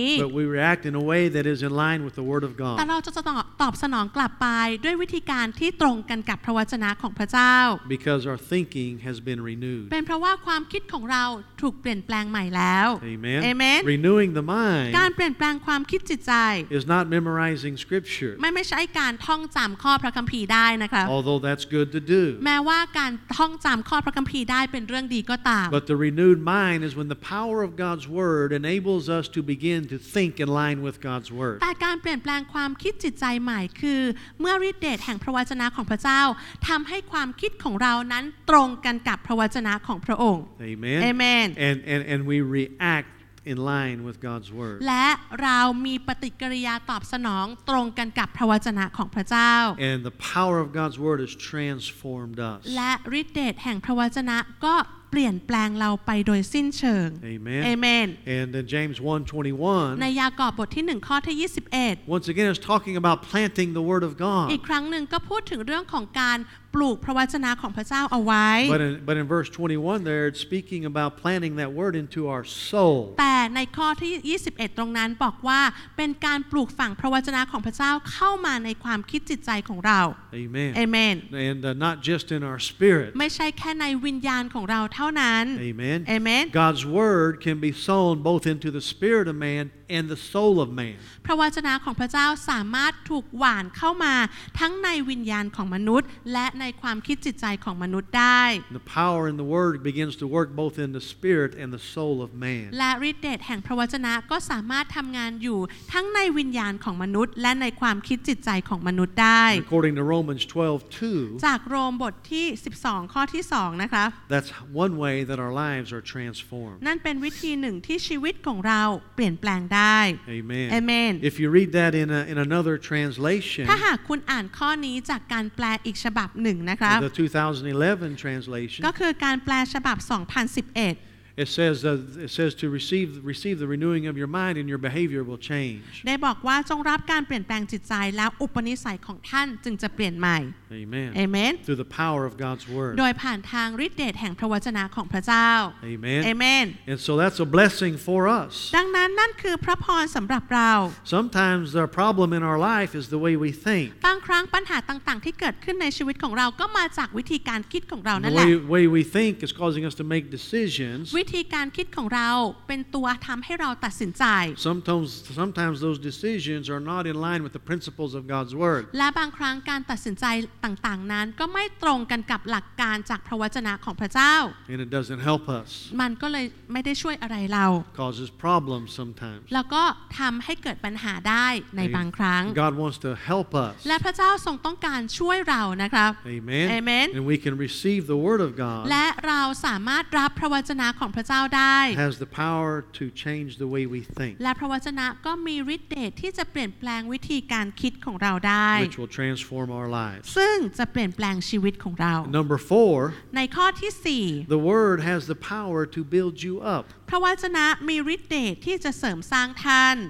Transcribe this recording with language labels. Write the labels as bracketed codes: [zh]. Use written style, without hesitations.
[en] but we react in a way that is in line with the word of God [th] แต่เราจะตอบสนองกลับไปด้วยวิธีการที่ตรงกันกับพระวจนะของพระเจ้า [en] because our thinking has been renewed [th] เป็นเพราะว่าความคิดของเราถูกเปลี่ยนแปลงใหม่แล้ว [en] amen amen renewing the mind [th] การเปลี่ยนแปลงความคิดจิตใจ [en] is not memorizing scripture [th] ไม่ใช่การท่องจําข้อพระคัมภีร์ได้นะคะ [en] although that's good to do [th] แม้ว่าการท่องจําข้อพระคัมภีร์ได้เป็นเรื่องดีก็ตาม [en] but the renewed mind is when the power of God's word enables us to begin to think in line with God's word [th] แต่การเปลี่ยนแปลงความคิดจิตใจใหม่คือเมื่อฤทธิ์เดชแห่งพระวจนะของพระเจ้าทำให้ความคิดของเรานั้นตรงกันกับพระวจนะของพระองค์ [en] Amen Amen and we react in line with God's word [th] และเรามีปฏิกิริยาตอบสนองตรงกันกับพระวจนะของพระเจ้า [en] and the power of God's word has transformed us [th] และฤทธิ์เดชแห่งพระวจนะก็เปลี่ยนแปลงเราไปโดยสิ้นเชิง [en] Amen. Amen. And in James 1:21 [th] ในยากอบบทที่1ข้อที่21 [en] Once again it's talking about planting the word of God. [th] อีกครั้งหนึ่งก็พูดถึงเรื่องของการปลูกพระวจนะของพระเจ้าเอาไว้ [en] But in verse 21 they're speaking about planting that word into our soul. [th] แต่ในข้อที่21ตรงนั้นบอกว่าเป็นการปลูกฝังพระวจนะของพระเจ้าเข้ามาในความคิดจิตใจของเรา [en] Amen. Amen. And not just in our spirit. [th] ไม่ใช่แค่ในวิญญาณของเรา [en] Amen. Amen. God's word can be sown both into the spirit of man and the soul of man. [th] พระวจนะของพระเจ้าสามารถถูกหว่านเข้ามาทั้งในวิญญาณของมนุษย์และในความคิดจิตใจของมนุษย์ได้ [en] The power in the word begins to work both in the spirit and the soul of man. [th] และฤทธิ์เดชแห่งพระวจนะก็สามารถทำงานอยู่ทั้งในวิญญาณของมนุษย์และในความคิดจิตใจของมนุษย์ได้ [en] According to Romans 12:2 [th] จากโรมบทที่12ข้อที่2นะคะ [en] That's oneway that our lives are transformed. [th] นั่นเป็นวิธีหนึ่งที่ชีวิตของเราเปลี่ยนแปลงได้ [en] Amen. Amen. If you read that in another translation [th] ถ้าหากคุณอ่านข้อนี้จากการแปลอีกฉบับหนึ่งนะครับ [en] The 2011 translation [th] ก็คือการแปลฉบับ2011 [en] It says to receive the renewing of your mind and your behavior will change. [th] ได้บอกว่าจงรับการเปลี่ยนแปลงจิตใจแล้วอุปนิสัยของท่านจึงจะเปลี่ยนใหม่ [en] Amen. Amen. Through the power of God's word. [th] โดยผ่านทางฤทธิ์เดชแห่งพระวจนะของพระเจ้า [en] Amen. Amen. And so that's a blessing for us. [th] ดังนั้นนั่นคือพระพรสำหรับเรา [en] Sometimes the problem in our life is the way we think. [th] บางครั้งปัญหาต่างๆที่เกิดขึ้นในชีวิตของเราก็มาจากวิธีการคิดของเรานั่นแหละ [en] The way we think is causing us to make decisions. [th] วิธีการคิดของเราเป็นตัวทำให้เราตัดสินใจ [en] Sometimes those decisions are not in line with the principles of God's word [th] และบางครั้งการตัดสินใจต่างๆนั้นก็ไม่ตรงกันกับหลักการจากพระวจนะของพระเจ้า [en] And it doesn't help us [th] มันก็เลยไม่ได้ช่วยอะไรเรา [en] Causes problems sometimes [th] แล้วก็ทำให้เกิดปัญหาได้ในบางครั้ง [en] God wants to help us [th] และพระเจ้าทรงต้องการช่วยเรานะครับ [en] Amen Amen And we can receive the word of God [th] และเราสามารถรับพระวจนะของพระเจ้าได้ [en] has the power to change the way we think [th] และพระวจนะก็มีฤทธิ์เดชที่จะเปลี่ยนแปลงวิธีการคิดของเราได้ [en] which will transform our lives [th] ซึ่งจะเปลี่ยนแปลงชีวิตของเรา [en] number 4 [th] ในข้อที่4 [en] the word has the power to build you up [th] พระวจนะมีฤทธิ์เดชที่จะเสริมสร้างท่าน